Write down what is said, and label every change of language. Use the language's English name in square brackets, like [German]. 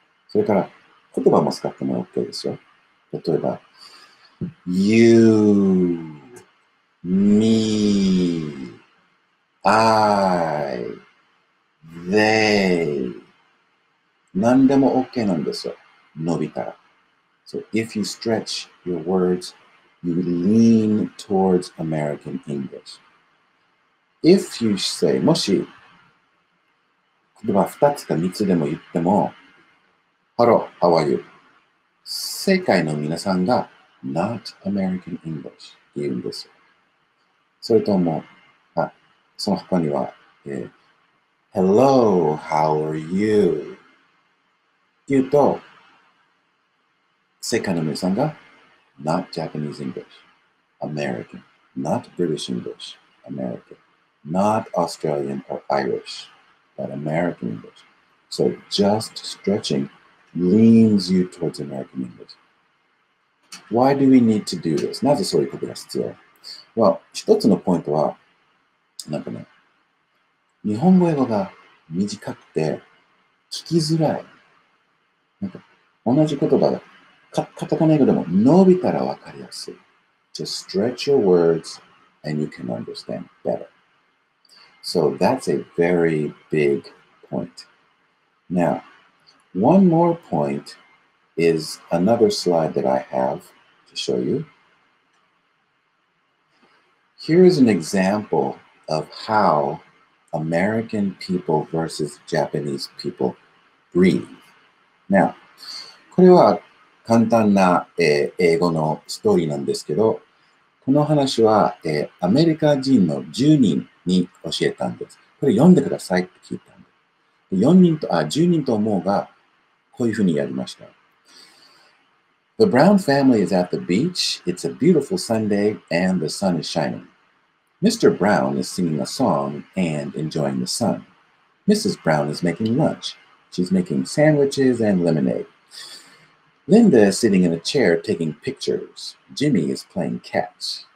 [Japanese] それから、言葉も使っても OK ですよ。例えば、 [English] You, me, I, they. [Japanese] 何でも OK なんですよ。伸びたら。 [English] So, if you stretch your words, you lean towards American English. If you say, [Japanese] もし、例えば2つか3つでも言っても、ハロー、ハワイ。世界の皆さんが、 [English] not American English [Japanese] って言うんですよ。それとも、あ、その他には、 [English] hello, how are you? [Japanese] って言うと、世界の皆さんが、 [English] not Japanese English, American, not British English, American, not Australian or Irish, but American English. So just stretching leans you towards American English. Why do we need to do this? [Japanese] なぜそういうことが必要? [English] Well, [Japanese] 一つのポイントは、なんかね、日本語英語が短くて聞きづらい。なんか同じ言葉だ。カタカナ英語でも伸びたらわかりやすい。 [English] Just stretch your words and you can understand better. So that's a very big point. Now, one more point is another slide that I have to show you. Here is an example of how American people versus Japanese people breathe. [Japanese] Now, これは簡単な、英語のストーリーなんですけど、この話は、アメリカ人の10人に教えたんです。これ読んでくださいって聞いたんです。10人と思うが、こういうふうにやりました。 [English] The Brown family is at the beach. It's a beautiful Sunday and the sun is shining. Mr. Brown is singing a song and enjoying the sun. Mrs. Brown is making lunch. She's making sandwiches and lemonade. Linda is sitting in a chair taking pictures. Jimmy is playing catch.